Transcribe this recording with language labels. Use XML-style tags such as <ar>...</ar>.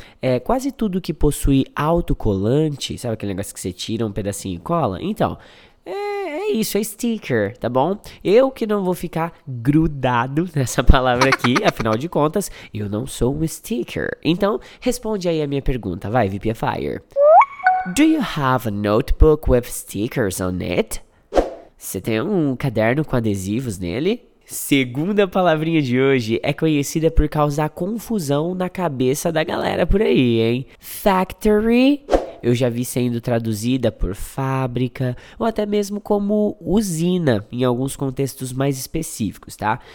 <pt>É, quase tudo que possui autocolante, sabe aquele negócio que você tira um pedacinho e cola? Então, é isso, é sticker, tá bom? Eu que não vou ficar grudado nessa palavra aqui, afinal de contas, eu não sou um sticker. Então, responde aí a minha pergunta, vai, VIP Fire.</pt> <en>Do you have a notebook with stickers on it?</en> <pt>Você tem um caderno com adesivos nele? Segunda palavrinha de hoje é conhecida por causar confusão na cabeça da galera por aí, hein? Factory, eu já vi sendo traduzida por fábrica ou até mesmo como usina em alguns contextos mais específicos, tá?</pt>